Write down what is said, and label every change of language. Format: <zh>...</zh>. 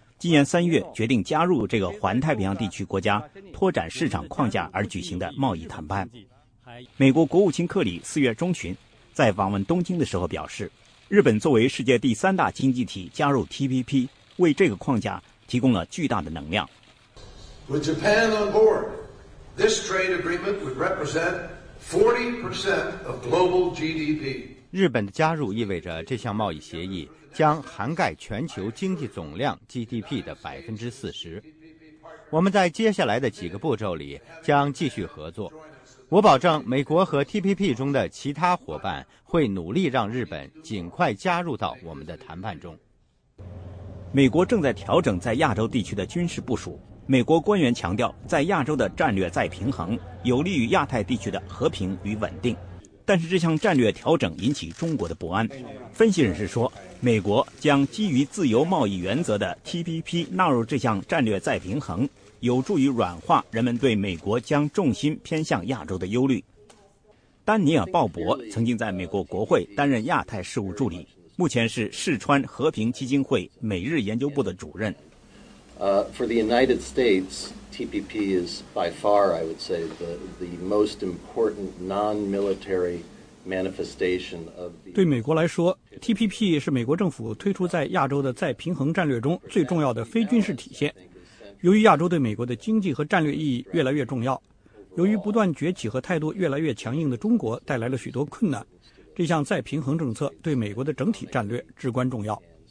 <zh>今年三月决定加入这个环太平洋地区国家拓展市场框架而举行的贸易谈判。美国国务卿克里四月中旬在访问东京的时候表示，日本作为世界第三大经济体加入 TPP， 为这个框架提供了巨大的能量。</zh> <en>With Japan on board, this trade agreement would represent 40% of global GDP.</en> <zh>日本的加入意味着这项贸易协议将涵盖全球经济总量 GDP 的40%。我们在接下来的几个步骤里将继续合作。我保证美国和 TPP 中的其他伙伴会努力让日本尽快加入到我们的谈判中。美国正在调整在亚洲地区的军事部署。美国官员强调，在亚洲的战略再平衡有利于亚太地区的和平与稳定，但是这项战略调整引起中国的不安。分析人士说，美国将基于自由贸易原则的 TPP 纳入这项战略再平衡，有助于软化人们对美国将重心偏向亚洲的忧虑。丹尼尔·鲍勃曾经在美国国会担任亚太事务助理，目前是世川和平基金会美日研究部的主任。</zh> <en>For the United States, TPP is by far, I would say, the most important non-military manifestation of the.</en> <zh>对美国来说 ，TPP 是美国政府推出在亚洲的再平衡战略中最重要的非军事体现。由于亚洲对美国的经济和战略意义越来越重要，由于不断崛起和态度越来越强硬的中国带来了许多困难，这项再平衡政策对美国的整体战略至关重要。</zh>